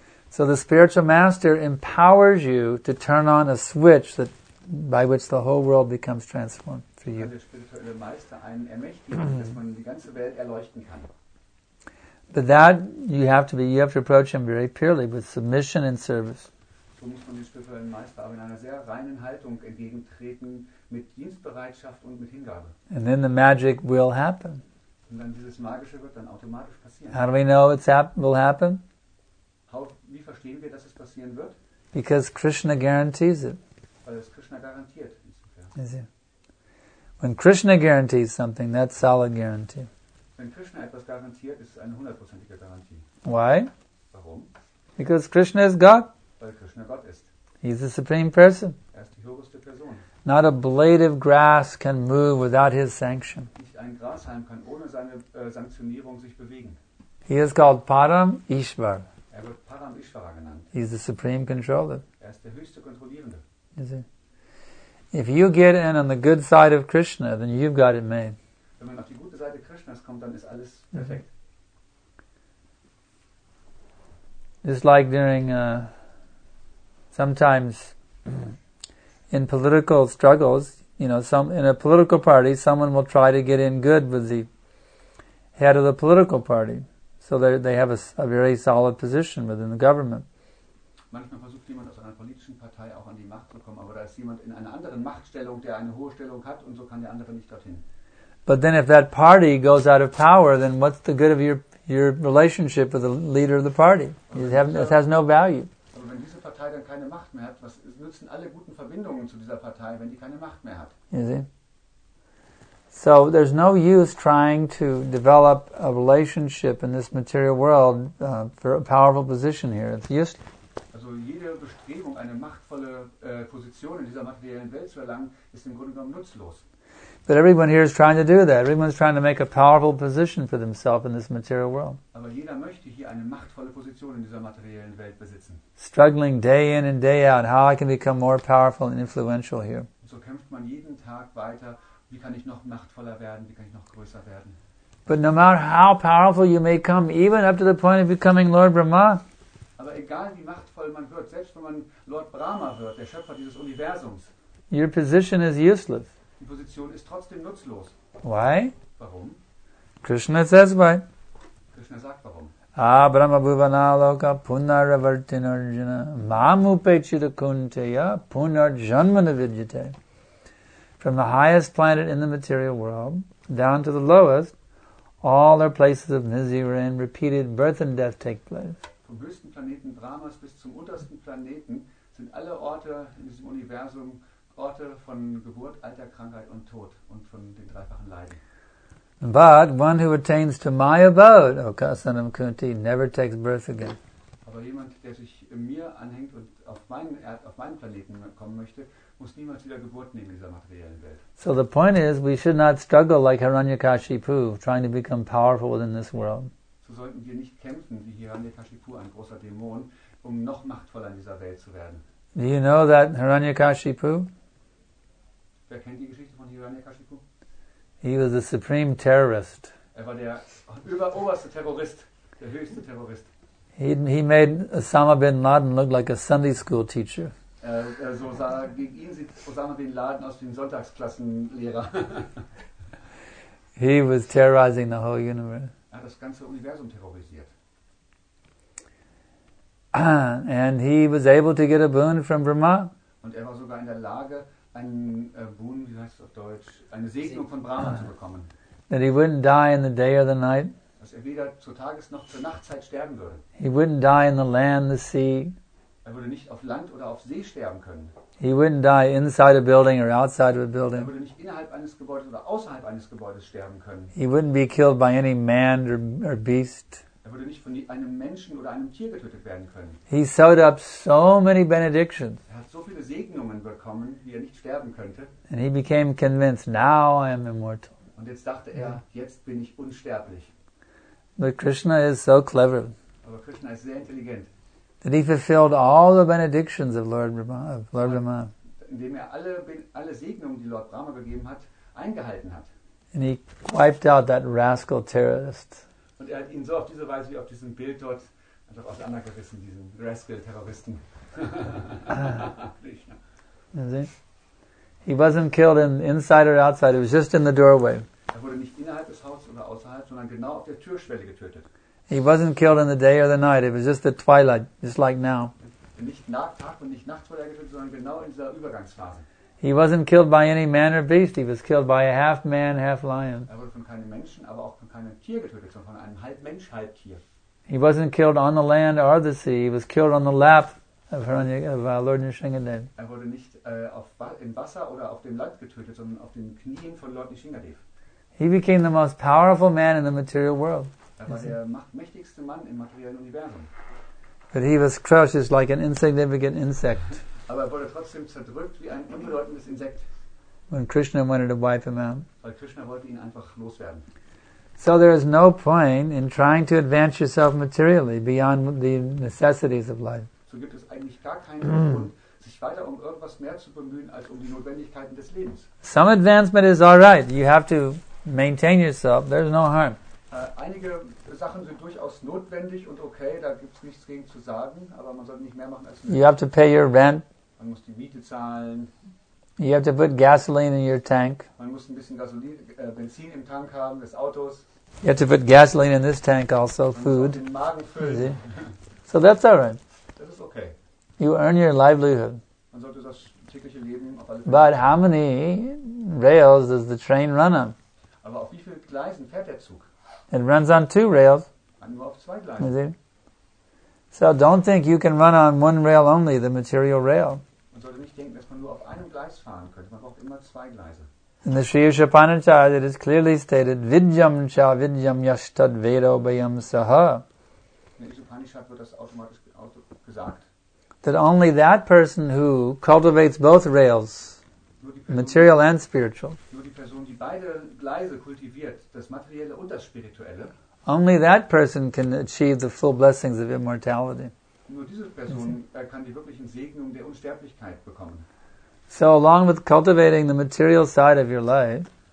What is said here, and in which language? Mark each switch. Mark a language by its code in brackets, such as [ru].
[en] So the spiritual master empowers you to turn on a switch that by which the whole world becomes transformed for you. But that you have to approach him very purely with submission and service. [de] So muss man den spirituellen Meister aber in einer sehr reinen Haltung entgegentreten, mit Dienstbereitschaft und mit Hingabe. [en] And then the magic will happen. [de] Und dann dieses Magische wird dann automatisch passieren. [en] How do we know it's will happen? [de] Wie verstehen wir, dass es passieren wird? [en] Because Krishna guarantees it. [de] Weil es Krishna garantiert. [en] When Krishna guarantees something, that's solid guarantee. [de] Wenn Krishna etwas garantiert, ist es eine hundertprozentige Garantie. [en] Why? [de] Warum? [en] Because Krishna is God. [de] Weil Krishna Gott ist. [en] He's the supreme person. [de] Er ist die höchste Person. [en] Not a blade of grass can move without his sanction. [de] Nicht ein Grashalm kann ohne seine Sanktionierung sich bewegen. [en] He is called Param Ishvar. [de] Er wird Param Ishvara genannt. [en] He's the supreme controller. [de] Er ist der höchste Kontrollierende. [en] If you get in on the good side of Krishna, then you've got it made. [de] Wenn man auf die gute Seite Krishnas kommt, dann ist alles perfekt. [en] Just like during sometimes in political struggles, you know, in a political party, someone will try to get in good with the head of the political party. So they have a very solid position within the government. [de] Manchmal versucht jemand aus einer politischen Partei auch an die Macht zu kommen, aber da ist jemand in einer anderen Machtstellung, der eine hohe Stellung hat, und so kann der andere nicht dorthin. [en] But then if that party goes out of power, then what's the good of your relationship with the leader of the party? It has no value. [de] Wenn diese Partei dann keine Macht mehr hat, was nützen alle guten Verbindungen zu dieser Partei, wenn die keine Macht mehr hat? [en] You see? So there's no use trying to develop a relationship in this material world for a powerful position here. It's useless. [de] Also jede Bestrebung, eine machtvolle Position in dieser materiellen Welt zu erlangen, ist im Grunde genommen nutzlos. [en] But everyone here is trying to do that. Everyone's trying to make a powerful position for themselves in this material world. [de] Aber jeder möchte hier eine machtvolle Position in dieser materiellen Welt besitzen. [en] Struggling day in and day out, how I can become more powerful and influential here. [de] So kämpft man jeden Tag weiter, wie kann ich noch machtvoller werden, wie kann ich noch größer werden. [en] But no matter how powerful you may come, even up to the point of becoming Lord Brahma. [de] Aber egal wie machtvoll man wird, selbst wenn man Lord Brahma wird, der Schöpfer dieses Universums. [en] Your position is useless. [de] Die Position ist trotzdem nutzlos. [en] Why? [de] Warum? [en] Krishna says why. [de] Krishna sagt warum. [sa] Ah, Brahma Bhuvana Loka Punaravartin Arjuna Mamupechita Kunteya Punarjanmana Vidyate. [en] From the highest planet in the material world down to the lowest, all are places of misery and repeated birth and death take place. [de] Vom höchsten Planeten Brahmas bis zum untersten Planeten sind alle Orte in diesem Universum Orte von Geburt, Alter, Krankheit und Tod und von den dreifachen Leiden. [en] But one who attains to my abode, O son of Kunti, never takes birth again. [de] Aber jemand, der sich mir anhängt und auf meinen Planeten kommen möchte, muss niemals wieder Geburt nehmen in dieser materiellen Welt. [en] So the point is, we should not struggle like Hiranyakashipu, trying to become powerful within this world. [de] So sollten wir nicht kämpfen wie Hiranyakashipu, ein großer Dämon, um noch machtvoller in dieser Welt zu werden. [en] Do you know that Hiranyakashipu? [de] Wer kennt die Geschichte von Hiranyakashipu? [en] He was a supreme terrorist. [de] Er war der oberste Terrorist, der höchste Terrorist. [en] He made Osama bin Laden look like a Sunday school teacher. [de] So sah gegen ihn sieht Osama bin Laden aus wie ein Sonntagsklassenlehrer. [en] He was terrorizing the whole universe. [de] Er hat das ganze Universum terrorisiert. [en] And he was able to get a boon from Brahma. [de] Und er war sogar in der Lage, eine Segnung von Brahma zu bekommen. [en] That he wouldn't die in the day or the night. [de] Dass er weder zur Tages- noch zur Nachtzeit sterben würde. [en] He wouldn't die in the land, the sea. [de] Er würde nicht auf Land oder auf See sterben können. [en] He wouldn't die inside a building or outside of a building. [de] Er würde nicht innerhalb eines Gebäudes oder außerhalb eines Gebäudes sterben können. [en] He wouldn't be killed by any man or beast. [de] Er würde nicht von einem Menschen oder einem Tier getötet werden können. [en] He sowed up so many benedictions. [de] Er hat so viele Segnungen bekommen, wie er nicht sterben könnte. [en] And he became convinced, now I am immortal. [de] Und jetzt dachte er, jetzt bin ich unsterblich. [en] But Krishna is so clever. [de] Aber Krishna ist sehr intelligent. [en] That he fulfilled all the benedictions of Lord Brahma. Of Lord Brahma. [de] Indem er alle Segnungen, die Lord Brahma gegeben hat, eingehalten hat. [en] And he wiped out that rascal terrorist. [de] Und er hat ihn so auf diese Weise wie auf diesem Bild dort einfach auseinandergerissen, diesen rascal Terroristen. [en] He wasn't killed in inside or outside. It was just in the doorway. [de] Er wurde nicht innerhalb des Hauses oder außerhalb, sondern genau auf der Türschwelle getötet. [en] He wasn't killed in the day or the night. It was just the twilight, just like now. [de] Nicht nach Tag und nicht nachts wurde er getötet, sondern genau in dieser Übergangsphase. [en] He wasn't killed by any man or beast. He was killed by a half man, half lion. [de] Er wurde von keinem Menschen, aber auch von keinem Tier getötet, sondern von einem halb Mensch, halb Tier. [en] He wasn't killed on the land or the sea. He was killed on the lap of Lord Nrisimhadev. [de] Er wurde nicht im Wasser oder auf dem Land getötet, sondern auf den Knien von Lord Nrisimhadev. [en] He became the most powerful man in the material world. [de] Er war der mächtigste Mann im materiellen Universum. [en] But he was crushed like an insignificant insect. [de] Aber er wurde trotzdem zerdrückt wie ein unbedeutendes Insekt. [en] When Krishna wanted to wipe him out. [de] Weil Krishna wollte ihn einfach loswerden. [en] So there is no point in trying to advance yourself materially beyond the necessities of life. [de] So gibt es eigentlich gar keinen Grund, sich weiter um irgendwas mehr zu bemühen als um die Notwendigkeiten des Lebens. [en] Some advancement is all right. You have to maintain yourself. There's no harm. [de] Einige Sachen sind durchaus notwendig und okay, da gibt es nichts gegen zu sagen, aber man sollte nicht mehr machen als nötig. [en] You have to pay your rent. [de] Man muss die Miete zahlen. [en] You have to put gasoline in your tank. [de] Man muss ein bisschen Benzin im Tank haben des Autos. [en] You have to put gasoline in this tank also, [de] man [en] food. [de] Muss den Magen füllen. [en] So that's all right. [de] Das ist okay. [en] You earn your livelihood. [de] Man sollte das tägliche Leben auf alle Fälle. [en] But how many rails does the train run on? [de] Aber auf wie viele Gleisen fährt der Zug? [en] It runs on two rails. [de] Nur auf zwei Gleisen. [en] So don't think you can run on one rail only, the material rail. [de] Man sollte nicht denken, dass man nur auf einem Gleis fahren könnte. Man braucht immer zwei Gleise. [en] In the Sri Upanishad it is clearly stated, [sa] Vidyam cha vidyam yashtad vedo bayam saha. [de] In the Upanishad wird das automatisch gesagt. [en] That only that person who cultivates both rails, material and spiritual. [de] Nur die Person, die beide Gleise kultiviert, das materielle und das spirituelle. [en] Only that person can achieve the full blessings of immortality. [de] Nur diese Person kann die wirklichen Segnungen der Unsterblichkeit bekommen. [en] So along with cultivating the material side of your life.